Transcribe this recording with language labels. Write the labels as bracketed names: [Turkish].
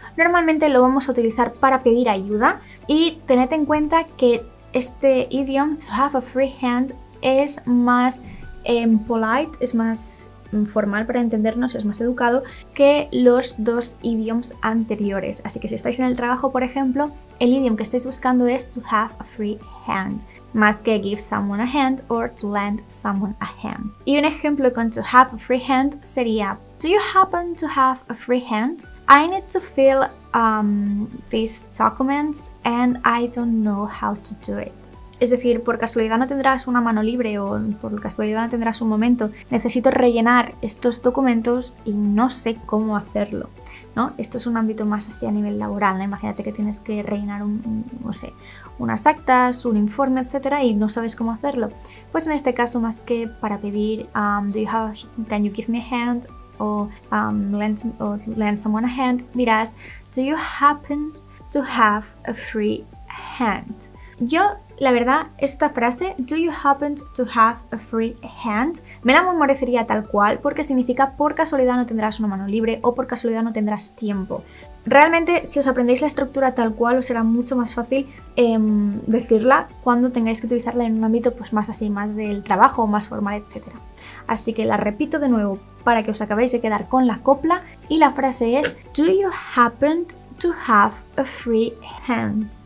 [Spanish] Normalmente lo vamos a utilizar para pedir ayuda y tened en cuenta que este idioma, [English] to have a free hand, [Spanish] es más polite, es más formal para entendernos, es más educado que los dos idiomas anteriores. Así que si estáis en el trabajo, por ejemplo, el idioma que estáis buscando es [English] to have a free hand, [Spanish] más que [English] give someone a hand or to lend someone a hand. [Spanish] Y un ejemplo con [English] to have a free hand [Spanish] sería, [English] do you happen to have a free hand? I need to fill these documents and I don't know how to do it. [Spanish] Es decir, por casualidad no tendrás una mano libre o por casualidad no tendrás un momento. Necesito rellenar estos documentos y no sé cómo hacerlo, ¿no? Esto es un ámbito más así a nivel laboral, ¿no? Imagínate que tienes que rellenar unas actas, un informe, etcétera, y no sabes cómo hacerlo. Pues en este caso, más que para pedir [English] can you give me a hand [Spanish] o [English] lend someone a hand, [Spanish] dirás [English] do you happen to have a free hand. [Spanish] Yo, la verdad, esta frase, [English] do you happen to have a free hand, [Spanish] me la memorizaría tal cual porque significa por casualidad no tendrás una mano libre o por casualidad no tendrás tiempo. Realmente, si os aprendéis la estructura tal cual, os será mucho más fácil decirla cuando tengáis que utilizarla en un ámbito pues, más así, más del trabajo, más formal, etc. Así que la repito de nuevo para que os acabéis de quedar con la copla. Y la frase es, [English] do you happen to have a free hand?